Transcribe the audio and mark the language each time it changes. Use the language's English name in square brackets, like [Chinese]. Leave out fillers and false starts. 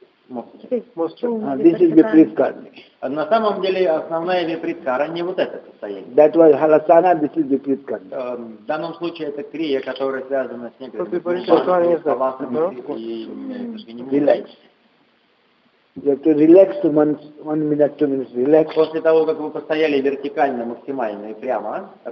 [English] This is Viprit Karani. [Russian] На самом деле основная Viprit Karani не вот это состояние. [English] That was Halasana, this is Viprit Karani. [Russian] В данном случае это крия, которая связана с некоторыми мулбанками, с халасами и Ашвини Мудрой. [English] You have to relax one minute, 2 minutes, relax. [Russian] После того, как вы постояли вертикально, максимально и прямо,